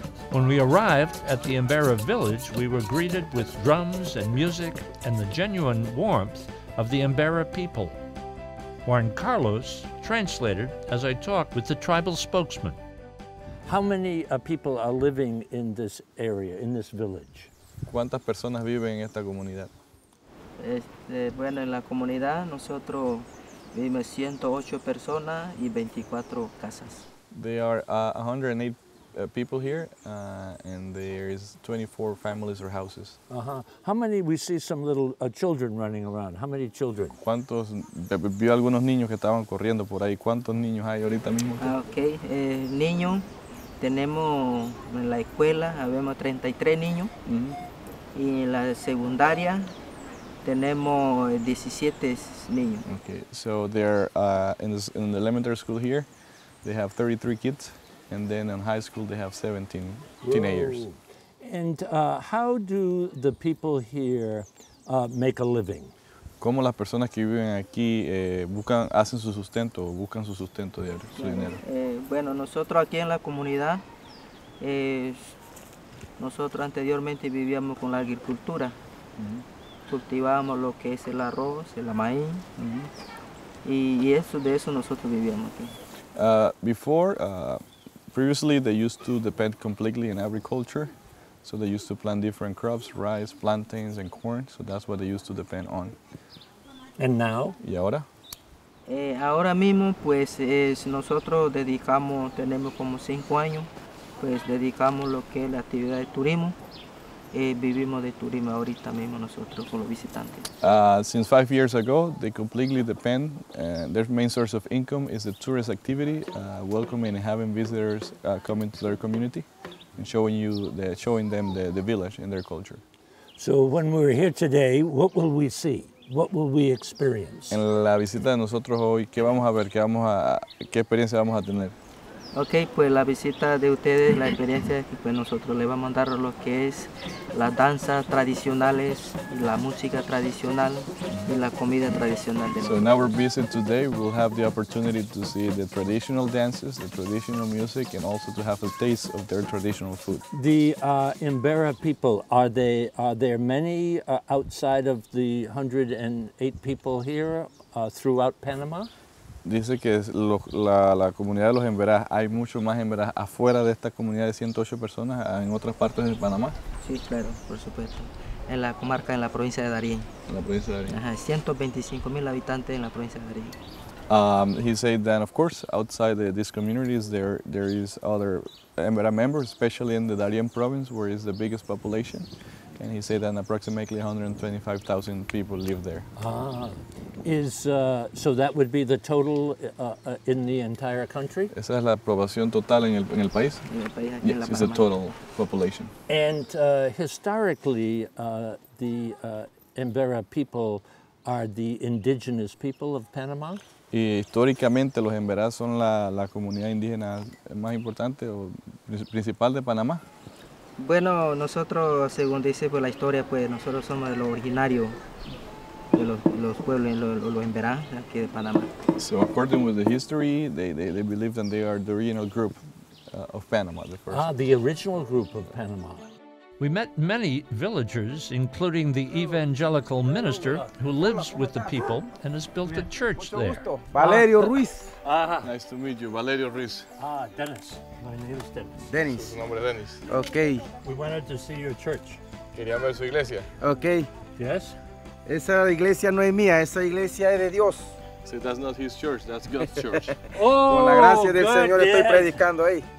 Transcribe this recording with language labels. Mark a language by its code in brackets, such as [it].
[en] When we arrived at the Embera village, we were greeted with drums and music and the genuine warmth of the Embera people. Juan Carlos translated as I talked with the tribal spokesman. How many people are living in this area, in this village? [es] ¿Cuántas personas viven en esta comunidad? Bueno, en la comunidad nosotros vivimos 108 personas y 24 casas. [en] There are 108 people here, and there's 24 families or houses. How many, we see some little children running around. How many children? [es] ¿Cuántos, vi algunos niños que estaban corriendo por ahí. ¿Cuántos niños hay ahorita mismo? Okay, niños, tenemos en la escuela, habemos 33 niños. Mm-hmm. Y en la secundaria, tenemos 17 niños. [en] Okay, so they're in the elementary school here. They have 33 kids, and then in high school they have 17 teenagers. And how do the people here make a living? [es] ¿Cómo las personas que viven aquí buscan, hacen su sustento, buscan su sustento de su dinero? Bueno, nosotros aquí en la comunidad, nosotros anteriormente vivíamos con la agricultura. Mm-hmm. Cultivábamos lo que es el arroz, el maíz, mm-hmm. y eso, de eso nosotros vivíamos aquí. [en] Previously they used to depend completely on agriculture. So they used to plant different crops, rice, plantains, and corn. So that's what they used to depend on. And now? [es] ¿Y ahora? Ahora mismo, pues, nosotros dedicamos, tenemos como 5 años, pues dedicamos lo que es la actividad de turismo. Vivimos de turismo ahorita mismo nosotros con los visitantes. [en] Since 5 years ago, they completely depend, their main source of income is the tourist activity, welcoming and having visitors come into their community and showing them the village and their culture. So when we're here today, what will we see? What will we experience? [es] En la visita de nosotros hoy, ¿qué vamos a ver? ¿Qué experiencia vamos a tener? Okay, pues la visita de ustedes, la experiencia es que pues nosotros le vamos a dar lo que es las danzas tradicionales, la música tradicional y la comida tradicional. [en] So in our visit today, we'll have the opportunity to see the traditional dances, the traditional music, and also to have a taste of their traditional food. The Embera people, are there many outside of the 108 people here throughout Panama? [es] Dice que la comunidad de los Emberás, hay mucho más Emberás afuera de esta comunidad de 108 personas en otras partes de Panamá. Sí, claro, por supuesto. En la comarca, en la provincia de Darién. En la provincia de Darién. Ajá, 125,000 habitantes en la provincia de Darién. [en] He said that, of course, outside these communities, there is other Emberá members, especially in the Darién province, where is the biggest population. And he said that approximately 125,000 people live there. So that would be the total in the entire country? [es] Esa es la población total en el país. En el país, aquí [en] yes, [es] en la [en] it's the total population. And historically, the Embera people are the indigenous people of Panama? [es] Y históricamente, los Emberás son la comunidad indígena más importante o principal de Panamá. Bueno, nosotros, según dice pues, la historia, pues nosotros somos de los originarios de los pueblos, los Emberá, aquí de Panamá. [en] So according with the history, they believe that they are the original group of Panama, the first. The original group of Panama. We met many villagers, including the evangelical minister who lives with the people and has built a church there. Valerio Ruiz. Nice to meet you, Valerio Ruiz. Dennis. My name is Dennis. Dennis. [es] Su nombre es Dennis. [en] Okay. We wanted to see your church. [es] Queríamos ver su iglesia. [en] Okay. Yes? [es] Esa iglesia no es mía, esa iglesia es de Dios. [en] See, that's not his church, that's God's church. [es] Oh, con la gracia del Señor estoy predicando ahí.